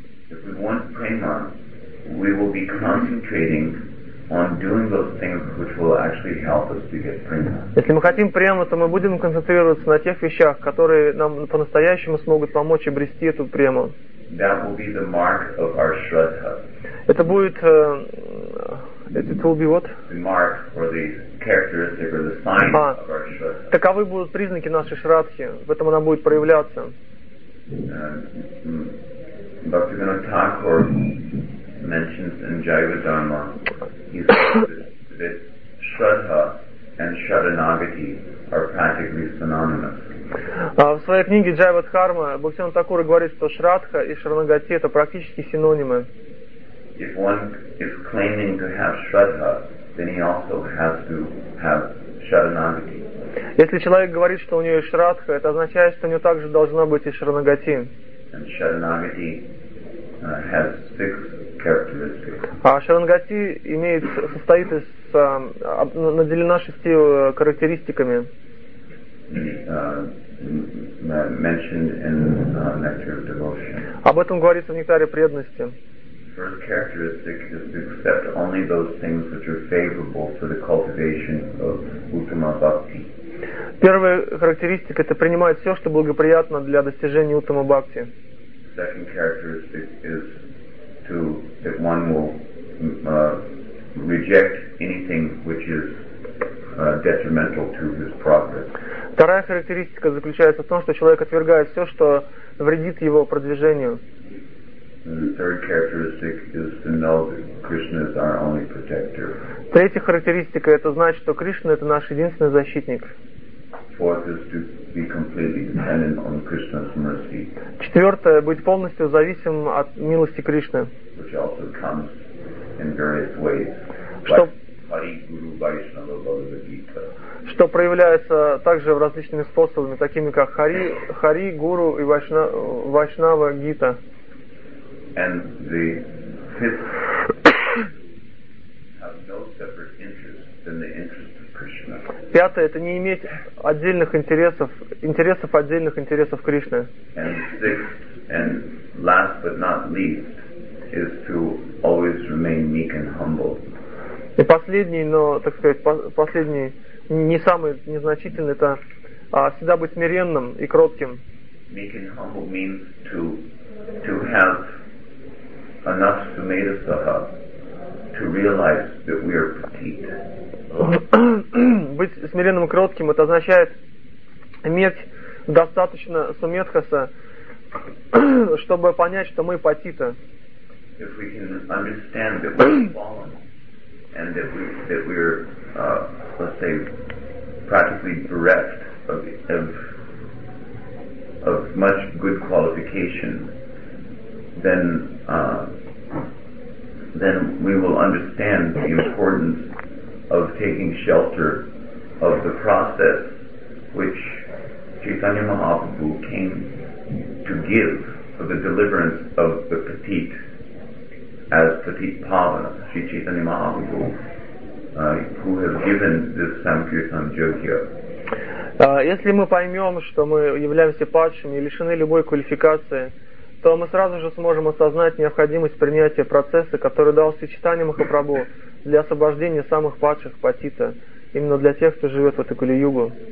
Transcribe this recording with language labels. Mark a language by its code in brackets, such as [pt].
[en] If we want prema, we will be concentrating on doing those things which will actually help us to get prema. [ru] Если мы хотим прему, то мы будем концентрироваться на тех вещах, которые нам по-настоящему смогут помочь обрести эту прему. [en] That will be the mark of our shraddha. [ru] Это будет [en] it will be what? The mark or the characteristic or the sign of our shraddha. [ru] Таковы будут признаки нашей шрадхи. В этом она будет проявляться. [en] Bhaktivinoda Thakur mentions in Jiva Dharma, he says that Shraddha and Sharanagati are practically synonymous. [ru] В своей книге Jiva Dharma Bhaktivinoda Thakur говорит, что Shraddha и Sharanagati это практически синонимы. [en] If one is claiming to have Shraddha, then he also has to have Sharanagati. [ru] Если человек говорит, что у него есть Shraddha, это означает, что у него также должна быть и Sharanagati. [en] And Sharanagati has six [ru] А Шарангати имеет, состоит из, наделена шести характеристиками. [en] Mentioned in Nectar of Devotion. [ru] Об этом говорится в Нектаре преданности. [en] First characteristic is to accept only those things which are favorable for the cultivation of Uttama Bhakti. [ru] Первая характеристика — это принимать все, что благоприятно для достижения Uttama Bhakti. [en] Second characteristic is to, that one will reject anything which is detrimental to his progress. [ru] Вторая характеристика заключается в том, что человек отвергает все, что вредит его продвижению. [en] And the third characteristic is to know that Krishna is our only protector. [ru] Третья характеристика — это знать, что Кришна — это наш единственный защитник. [en] Fourth is to be completely dependent on Krishna's mercy. [ru] Четвертое — быть полностью зависим от милости Кришны. [en] Which also comes in various ways, like Hari Guru Vaishnava Bhagavad Gita. [ru] Что проявляется также в различными способами, такими как Хари Гуру и Вайшнава Гита. [en] And the fifth have no separate interest than the interest of Krishna. [ru] Пятое — это не иметь отдельных интересов Кришны. [en] And sixth and last but not least is to always remain meek and humble. [ru] И последний, но, так сказать, последний, не самый незначительный, это всегда быть смиренным и кротким. [en] Meek and humble means to have enough sumedha saha, to realize that we are petite. [ru] Быть смиренным и кротким — это означает иметь достаточно суметхаса, чтобы понять, что мы потита. [en] If we can understand that we're fallen and that we that we're practically bereft of much good qualification, then we will understand the importance of taking shelter of the process which Chaitanya Mahaprabhu came to give for the deliverance of the petite, as petite pavana, Sri Chaitanya Mahaprabhu, who have given this Sankirtan Jogya. [ru] Если мы поймем, что мы являемся падшими и лишены любой квалификации, то мы сразу же сможем осознать необходимость принятия процесса, который дал Сри Чайтанья Махапрабху для освобождения самых падших патита, именно для тех, кто живет в этой кали-югу.